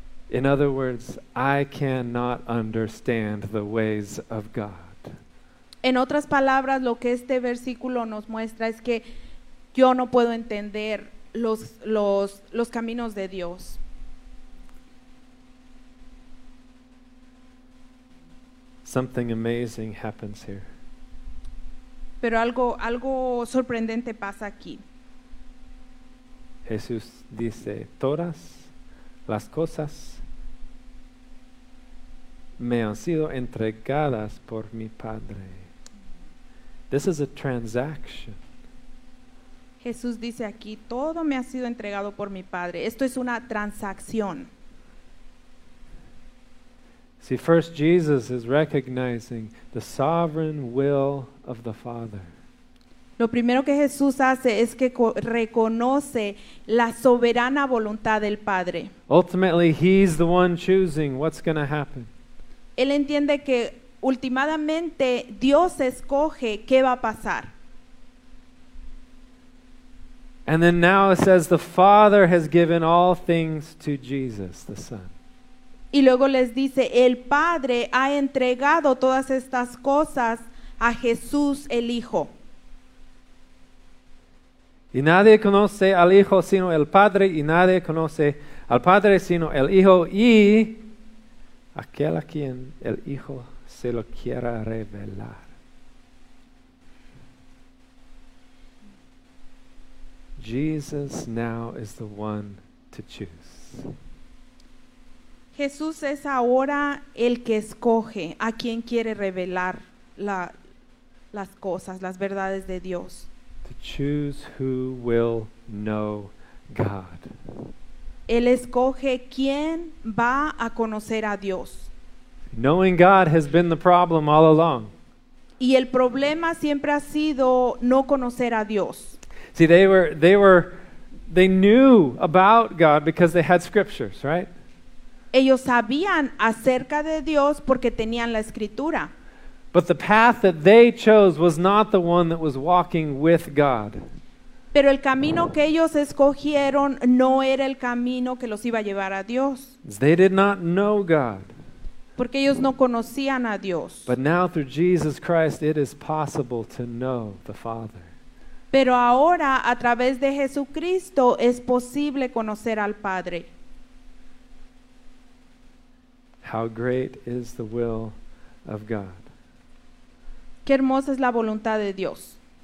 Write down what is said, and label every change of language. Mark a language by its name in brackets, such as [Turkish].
[English] In other words, I cannot understand the ways of God. [Spanish] En otras palabras, lo que este versículo nos muestra es que yo no puedo entender los caminos de Dios. [English] Something amazing happens here. [Spanish] Pero algo sorprendente pasa aquí. Jesús dice, todas las cosas me han sido entregadas por mi Padre. [English] This is a transaction. [Spanish] Jesús dice aquí, todo me ha sido entregado por mi Padre. Esto es una transacción. [English] See, first Jesus is recognizing the sovereign will of the Father. [Spanish] Lo primero que Jesús hace es que reconoce la soberana voluntad del Padre. [English] Ultimately, he's the one choosing what's going to happen. [Spanish] Él entiende que últimamente Dios escoge qué va a pasar. [English] And then now it says the Father has given all things to Jesus, the Son. [Spanish] Y luego les dice, el Padre ha entregado todas estas cosas a Jesús, el Hijo. Y nadie conoce al Hijo sino el Padre, y nadie conoce al Padre sino el Hijo, y aquel a quien el Hijo se lo quiera revelar. [English] Jesus now is the one to choose. [Spanish] Jesús es ahora el que escoge a quien quiere revelar las cosas, las verdades de Dios. [English] To choose who will know God. [Spanish] Él escoge quién va a conocer a Dios. [English] Knowing God has been the problem all along. [Spanish] Y el problema siempre ha sido no conocer a Dios. [English] See, they knew about God because they had scriptures, right? [Spanish] Ellos sabían acerca de Dios porque tenían la escritura. [English] But the path that they chose was not the one that was walking with God. [Spanish] Pero el camino que ellos escogieron no era el camino que los iba a llevar a Dios. [English] They did not know God. [Spanish] Porque ellos no conocían a Dios. [English] But now through Jesus Christ it is possible to know the Father. [Spanish] Pero ahora a través de Jesucristo es posible conocer al Padre. [English] How great is the will of God. [Spanish] Qué hermosa es la voluntad de Dios.